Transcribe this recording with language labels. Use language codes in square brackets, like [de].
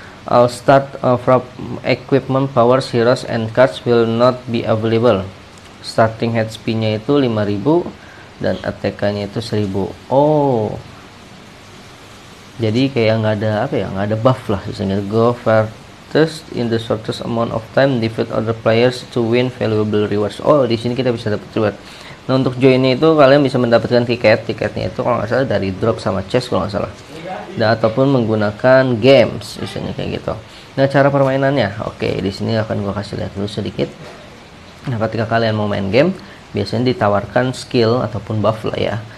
[en] All start from equipment, powers, heroes, and cards will not be available. [id] Starting HP-nya itu 5000 dan ATK-nya itu 1000. Oh, jadi kayak nggak ada apa ya, nggak ada buff lah. Misalnya [en] go for fastest in the shortest amount of time, defeat other players to win valuable rewards. [id] Oh, di sini kita bisa dapat reward. Nah, untuk joinnya itu kalian bisa mendapatkan tiket. Tiketnya itu kalau nggak salah dari drop sama chest kalau nggak salah. Dan ataupun menggunakan games, misalnya kayak gitu. Nah, cara permainannya, oke, di sini akan gua kasih lihat dulu sedikit. Nah, ketika kalian mau main game, biasanya ditawarkan skill ataupun buff lah ya.